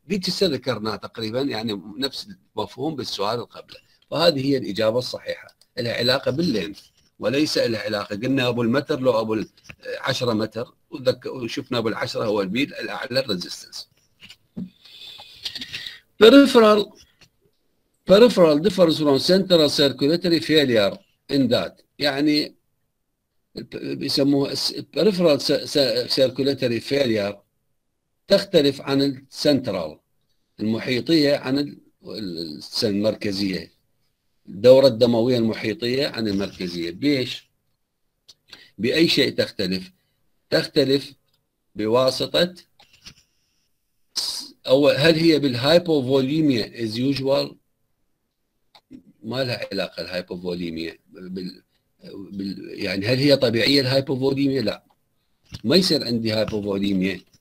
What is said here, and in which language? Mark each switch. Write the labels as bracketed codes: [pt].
[ar] ذيك ذكرناه تقريبا يعني نفس المفهوم بالسؤال القبله. فهذه هي الإجابة الصحيحة، لها علاقة باللينث وليس لها علاقة، قلنا أبو المتر لو أبو 10 متر وشفنا أبو 10 هو البيل الأعلى الريزستنس. [en] Peripheral differs from central circulatory failure in that. [ar] يعني بيسموه [en] Peripheral circulatory failure [ar] تختلف عن السنترال المحيطية عن المركزية. الدورة الدموية المحيطية عن المركزية بايش؟ بأي شيء تختلف؟ تختلف بواسطة أو هل هي بالهايبوفوليميا [en] Is usual? [ar] ما لها علاقة الهايبوفوليميا يعني هل هي طبيعية الهايبوفوليميا؟ لا ما يصير عندي هايبوفوليميا.